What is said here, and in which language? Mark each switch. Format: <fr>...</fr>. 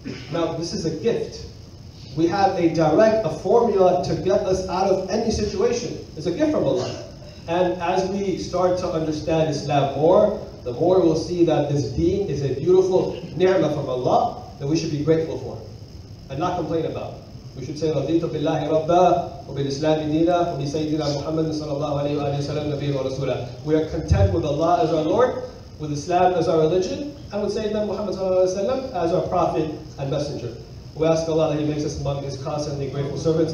<en>Now, this is a gift. We have a formula to get us out of any situation. It's a gift from Allah. And as we start to understand Islam more, the more we'll see that this deen is a beautiful ni'mah from Allah that we should be grateful for and not complain about. We should say,</en> <ar>رَضِيْتُ بِاللَّهِ رَبَّا وَبِالْإِسْلَامِ دِينًا وَبِسَيِّدِنَا مُحَمَّدٍ صَلَى اللَّهُ عَلَيْهُ وَعَلَيْهُ وَسَلَمُ نَبِيًّا وَرَسُولًا.</ar> <en>We are content with Allah as our Lord, with Islam as our religion, and with Sayyidina Muhammad</en> <ar>صلى الله عليه وسلم</ar> <en>as our prophet and messenger. We ask Allah that He makes us among His constantly grateful servants.</en>